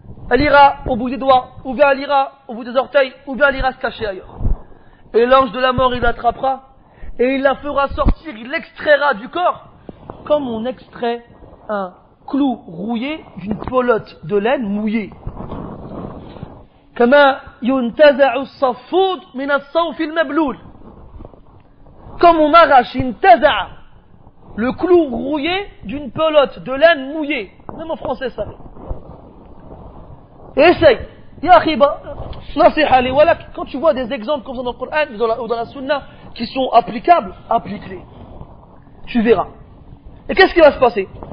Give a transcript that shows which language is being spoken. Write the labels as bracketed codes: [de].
[fr] Elle ira au bout des doigts, ou bien elle ira au bout des orteils, ou bien elle ira se cacher ailleurs. Et l'ange de la mort, il l'attrapera, et il la fera sortir, il l'extraira du corps, comme on extrait un clou rouillé d'une pelote de laine mouillée. [ar] كما ينتزع الصفود من الصوف المبلول. [fr] Comme on arrache, [ar] ينتزع, [fr] le clou rouillé d'une pelote de laine mouillée. Même en français, ça. Essaye. [ar] Ya khiba, nasiha li walak. [fr] Quand tu vois des exemples comme ça dans le Coran ou dans la Sunna qui sont applicables, applique-les. Tu verras. Et qu'est-ce qui va se passer?